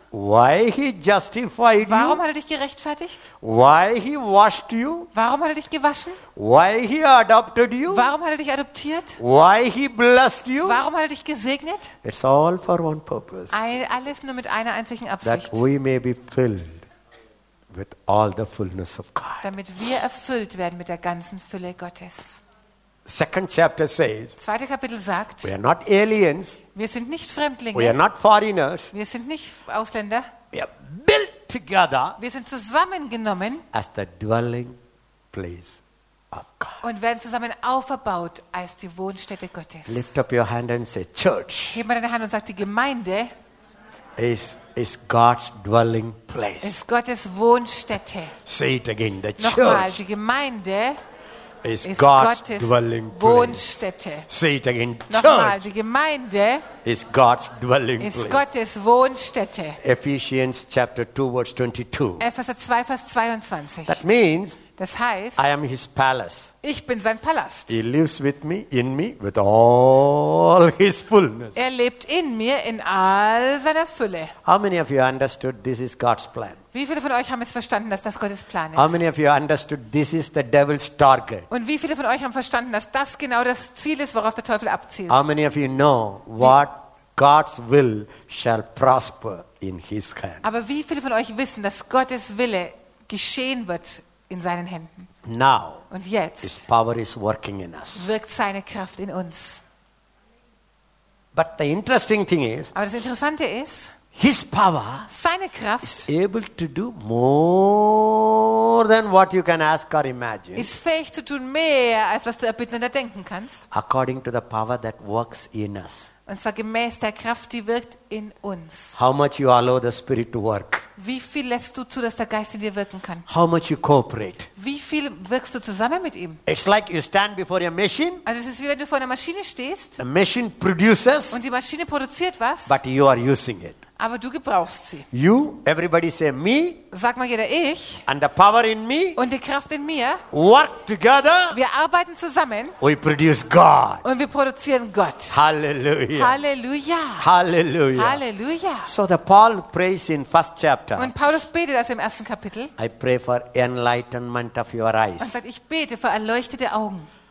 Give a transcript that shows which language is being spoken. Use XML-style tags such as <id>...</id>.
<en>Why he justified you?</en> <de>Warum hat er dich gerechtfertigt?</de> <en>Why he washed you?</en> <de>Warum hat er dich gewaschen?</de> <en>Why he adopted you?</en> <de>Warum hat er dich adoptiert?</de> <en>Why he blessed you?</en> <de>Warum hat er dich gesegnet?</de> <en>It's all for one purpose.</en> <de>Alles nur mit einer einzigen Absicht.</de> <en>That we may be filled with all the fullness of God.</en> <de>Damit wir erfüllt werden mit der ganzen Fülle Gottes.</de> <en>Second chapter says.</en> <de>Zweite Kapitel sagt.</de> <en>We are not aliens.</en> <de>Wir sind nicht Fremdlinge.</de> <en>We are not foreigners.</en> <de>Wir sind nicht Ausländer.</de> <en>We are built together.</en> <de>Wir sind zusammengenommen.</de> <en>As the dwelling place of God.</en> <de>Und werden zusammen aufgebaut als die Wohnstätte Gottes.</de> <en>Lift up your hand and say church.</en> <de>Heb mal deine Hand und sag die Gemeinde.</de> <en>Is God's dwelling place.</en> <de>Ist Gottes Wohnstätte.</de> <en>Say it again, the</en> <de>Nochmal,</de> <en>church.</en> <de>Nochmal, die Gemeinde.</de> <en>Is God's dwelling</en> <de>Wohnstätte.</de> <en>Place. Say it again.</en> <de>Nochmal, die Gemeinde.</de> <en>Is God's dwelling</en> <de>ist</de> <en>place.</en> <de>Gottes Wohnstätte.</de> <en>Ephesians chapter 2 verse 22.</en> <de>Epheser 2 Vers 22.</de> <en>That means.</en> <de>Das heißt.</de> <en>I am His palace.</en> <de>Ich bin sein Palast.</de> <en>He lives with me, in me, with all His fullness.</en> <de>Er lebt in mir in all seiner Fülle.</de> <en>How many of you understood this is God's plan?</en> <de>Wie viele von euch haben es verstanden, dass das Gottes Plan ist?</de> <en>How many of you understood this is the devil's target?</en> <de>Und wie viele von euch haben verstanden, dass das genau das Ziel ist, worauf der Teufel abzielt?</de> <en>How many of you know what God's will shall prosper in His hand?</en> <de>Aber wie viele von euch wissen, dass Gottes Wille geschehen wird in seinen Händen?</de> <en>Now.</en> <de>Und jetzt.</de> <en>His power is working in us.</en> <de>Wirkt seine Kraft in uns.</de> <en>But the interesting thing is.</en> <de>Aber das Interessante ist.</de> <en>His power,</en> <de>seine Kraft,</de> <en>is able to do more than what you can ask or imagine.</en> <de>Ist fähig zu tun mehr als was du erbitten oder denken kannst.</de> <en>According to the power that works in us.</en> <de>Und zwar gemäß der Kraft, die wirkt in uns.</de> <en>How much you allow the Spirit to work?</en> <de>Wie viel lässt du zu, dass der Geist in dir wirken kann?</de> <en>How much you cooperate?</en> <de>Wie viel wirkst du zusammen mit ihm?</de> <en>It's like you stand before your machine.</en> <de>Also es ist wie wenn du vor einer Maschine stehst.</de> <en>The machine produces.</en> <de>Und die Maschine produziert was?</de> <en>But you are using it.</en> <de>Aber du gebrauchst sie.</de> <en>You, everybody say me.</en> <de>Sag mal jeder ich.</de> <en>And the power in me.</en> <de>Und die Kraft in mir.</de> <en>Work together.</en> <de>Wir arbeiten zusammen.</de> <en>We produce God.</en> <de>Und wir produzieren Gott.</de> <en>Hallelujah.</en> <de>Hallelujah.</de> <en>Hallelujah.</en> <de>Hallelujah.</de> <en>So the Paul prays in first chapter.</en> <de>Und Paulus betet das im ersten Kapitel.</de> <en>I pray for enlightenment of your eyes.</en> <de>Und sagt, ich bete für erleuchtete Augen.</de>